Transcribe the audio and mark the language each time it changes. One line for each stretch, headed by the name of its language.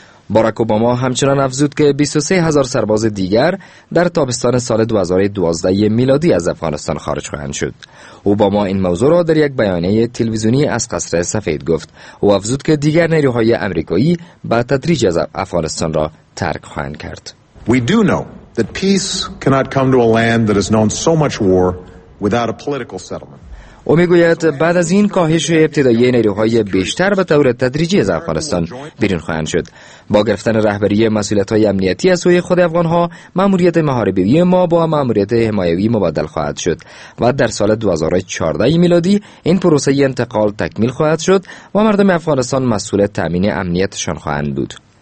Persian: باراک اوباما همچنان افزود که 23,000 سرباز دیگر در تابستان سال 2012 میلادی از افغانستان خارج خواهند شد. اوباما این موضوع را در یک بیانیه تلویزیونی از قصر سفید گفت. او افزود که دیگر نیروهای آمریکایی با تدریج از افغانستان را ترک خواهند کرد.
English: We do know that peace cannot come to a land that has known so much war without a political settlement.
Persian: او میگوید بعد از این کاهش ابتدایی نیروهای بیشتر به طور تدریجی از افغانستان بیرون خواهند شد. با گرفتن رهبری مسئولیت‌های امنیتی از سوی خود افغان‌ها، ماموریت محاربی ما با ماموریت حمایوی مبادل خواهد شد و در سال 2014 میلادی این پروسه انتقال تکمیل خواهد شد و مردم افغانستان مسئول تأمین امنیتشان خواهند بود.